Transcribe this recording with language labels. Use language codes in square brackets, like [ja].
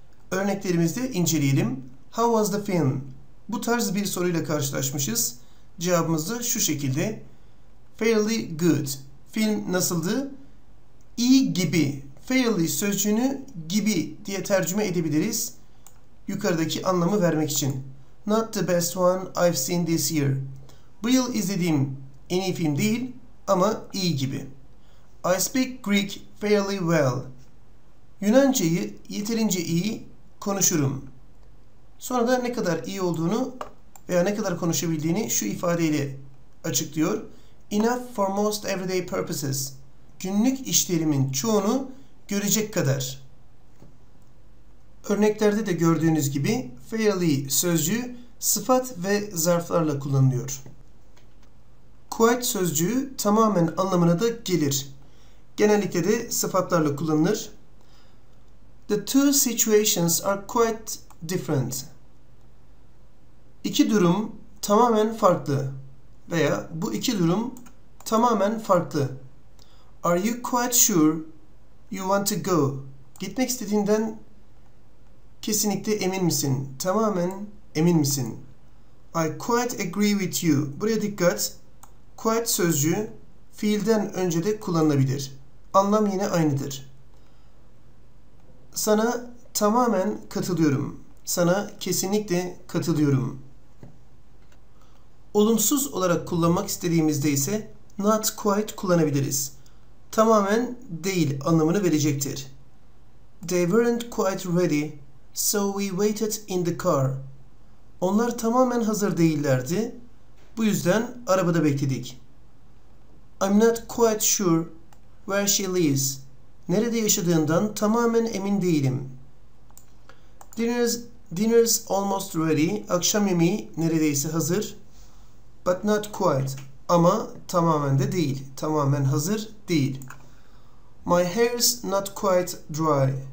[tr] Örneklerimizde inceleyelim. [en] How was the film? [tr] Bu tarz bir soruyla karşılaşmışız. Cevabımız da şu şekilde. [en] Fairly good. [tr] Film nasıldı? İyi gibi. Fairly sözcüğünü gibi diye tercüme edebiliriz. Yukarıdaki anlamı vermek için. [en] Not the best one I've seen this year. [tr] Bu yıl izlediğim en iyi film değil ama iyi gibi. [en] I speak Greek fairly well. [tr] Yunancayı yeterince iyi konuşurum. Sonra da ne kadar iyi olduğunu veya ne kadar konuşabildiğini şu ifadeyle açıklıyor. [en] Enough for most everyday purposes. [tr] Günlük işlerimin çoğunu görecek kadar. Örneklerde de gördüğünüz gibi fairly sözcüğü sıfat ve zarflarla kullanılıyor. Quite sözcüğü tamamen anlamına da gelir. Genellikle de sıfatlarla kullanılır. [en] The two situations are quite different. [tr] İki durum tamamen farklı veya bu iki durum tamamen farklı. [en] Are you quite sure you want to go? [tr] Gitmek istediğinden kesinlikle emin misin? Tamamen emin misin? [en] I quite agree with you. [tr] Buraya dikkat. Quite sözcüğü fiilden önce de kullanılabilir. Anlam yine aynıdır. Sana tamamen katılıyorum. Sana kesinlikle katılıyorum. Olumsuz olarak kullanmak istediğimizde ise not quite kullanabiliriz. Tamamen değil anlamını verecektir. [en] They weren't quite ready, so we waited in the car. [tr] Onlar tamamen hazır değillerdi. Bu yüzden arabada bekledik. [en] I'm not quite sure where she lives. [tr] Nerede yaşadığından tamamen emin değilim. [en] Dinner's almost ready. [tr] Akşam yemeği neredeyse hazır. [en] But not quite. [tr] Ama tamamen de değil. Tamamen hazır değil. [en] My hair's not quite dry.